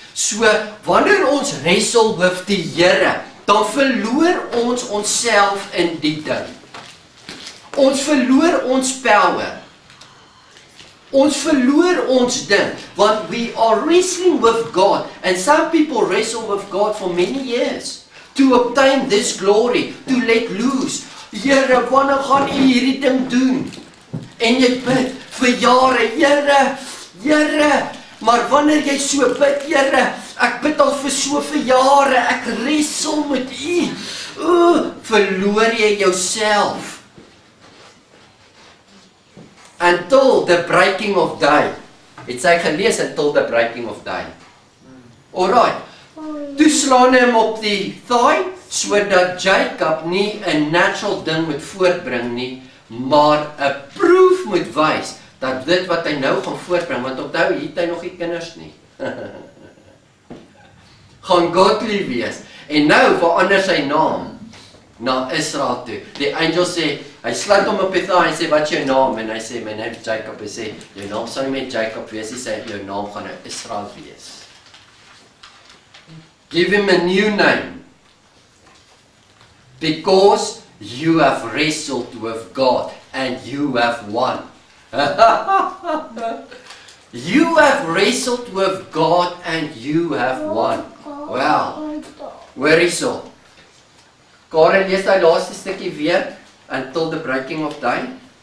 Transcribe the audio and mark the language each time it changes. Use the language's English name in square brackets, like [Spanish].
[Afrikaans] So, wanneer ons wrestle with die Here, dan verloor ons onsself in die ding. Ons verloor ons power. Ons verloor ons ding. Want [English] we are wrestling with God. And some people wrestle with God for many years. To obtain this glory. To let loose. [Afrikaans] Here, wanneer gaan jy hierdie ding doen? En jy bid vir jare. Here, Here. Maar wanneer jy so bid, Here, ek bid al vir soveel jare, ek wrestle met u. Verloor jy jouself. [English] Until the breaking of day. [Afrikaans] Het sy gelees, [English] until the breaking of day. Alright. [Afrikaans] Toe slaan hy hem op die thigh, so dat Jacob nie een natural ding moet voortbring nie, maar een proof moet wys, dat dit wat hy nou gaan voortbring, want onthou, hier het hy nog die kinders nie. Gaan godly wees. En nou verander sy naam na Israel toe. Die angel sê, hy slaat hom op die thigh en sê, wat is jou naam? En hy sê, my naam is Jacob. Hy sê, jou naam sal nie met Jacob wees. Hy sê, jou naam gaan nou Israel wees. [English] Give him a new name. Because you have wrestled with God and you have won. You have wrestled with God and you have won. Well, where is all? Karen, [Afrikaans] lees die laaste stukkie weer, [English] until the breaking of day.